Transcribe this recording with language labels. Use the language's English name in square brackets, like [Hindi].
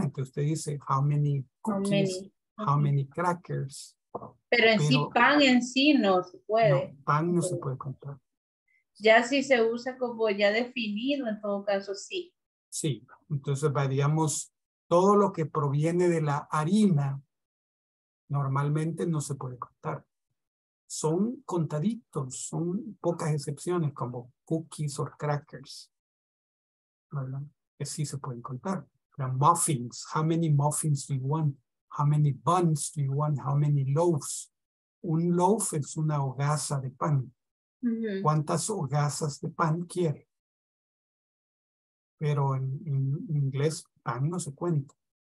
[Spanish] Entonces usted dice [English] how many cookies, how many crackers. [Spanish] Pero sí, pan en sí no se puede. No, pan no se puede contar. Ya si se usa como ya definido, en todo caso, sí. Sí, entonces, digamos, todo lo que proviene de la harina, normalmente no se puede contar. Son contaditos, son pocas excepciones, como cookies o crackers, ¿verdad? Que sí se pueden contar. [English] The muffins, how many muffins do you want? How many buns do you want? How many loaves? [Spanish] Un loaf es una hogaza de pan. Mm-hmm. ¿Cuántas hogazas de pan quiere? Pero en inglés, pan no se cuenta.